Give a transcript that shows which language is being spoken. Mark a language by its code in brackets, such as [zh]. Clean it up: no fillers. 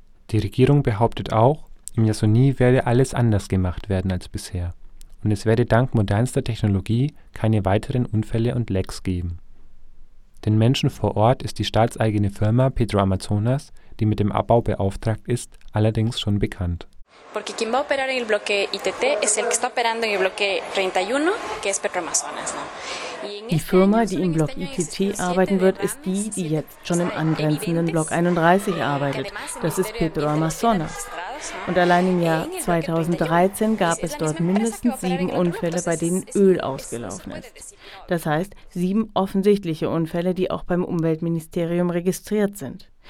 [de] Die Regierung behauptet auch, im Yasuní werde alles anders gemacht werden als bisher und es werde dank modernster Technologie keine weiteren Unfälle und Lecks geben. Den Menschen vor Ort ist die staatseigene Firma Petro Amazonas, die mit dem Abbau beauftragt ist, allerdings schon bekannt. [es] Porque quien va a operar en el bloque ITT es el que está operando en el bloque 31, que es Petro Amazonas, ¿no? [de] Die Firma, die im Block ITT arbeiten wird, ist die, die jetzt schon im angrenzenden Block 31 arbeitet. Das ist Petro Amazonas. Und allein im Jahr 2013 gab es dort mindestens 7 Unfälle, bei denen Öl ausgelaufen ist. Das heißt, 7 offensichtliche Unfälle, die auch beim Umweltministerium registriert sind.